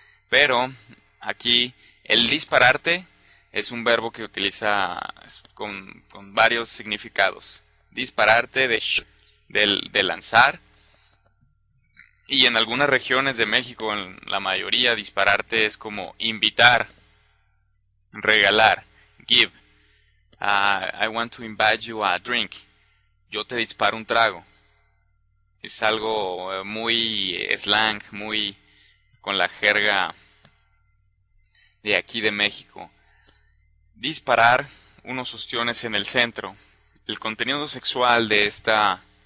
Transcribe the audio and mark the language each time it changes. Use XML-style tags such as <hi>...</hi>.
<es>Pero aquí el dispararte es un verbo que utiliza con varios significados. Dispararte de lanzar. Y en algunas regiones de México, en la mayoría, dispararte es como invitar, regalar, give.</es> <en>I want to invite you a drink.</en> <es>Yo te disparo un trago. Es algo muy slang, muy con la jerga de aquí de México. Disparar unos ostiones en el centro. El contenido sexual de esta</es>